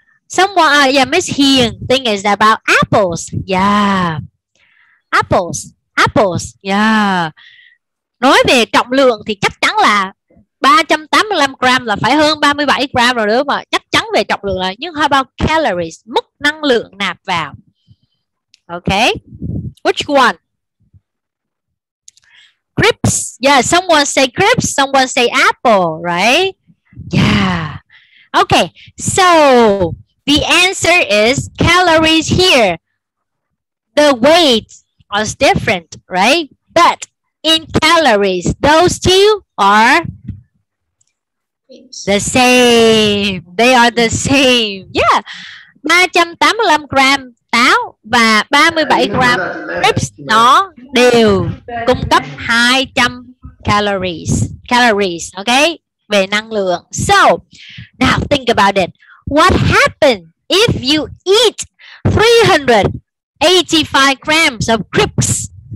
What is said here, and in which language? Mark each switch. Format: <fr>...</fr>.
<en>Someone, yeah, Miss Hiền think is about apples. Yeah. Apples. Apples. Yeah.</en> <vi>Nói về trọng lượng thì chắc chắn là 385 gram là phải hơn 37 gram rồi đúng không ạ? Chắc chắn về trọng lượng là. Nhưng</vi> <en>how about calories?</en> <vi>Mức năng lượng nạp vào.</vi> <en>Okay. Which one? Crisps. Yeah, someone say crisps, someone say apple, right? Yeah. Okay. So, the answer is calories here. The weight is different, right? But in calories, those two are the same. They are the same. Yeah.</en> <vi>385 gram táo và 37 gram crisps nó đều cung cấp 200 calories.</vi> <en>Calories, okay?</en> <vi>Về năng lượng.</vi> <en>So, now think about it. What happens if you eat 385 grams of crisps?</en>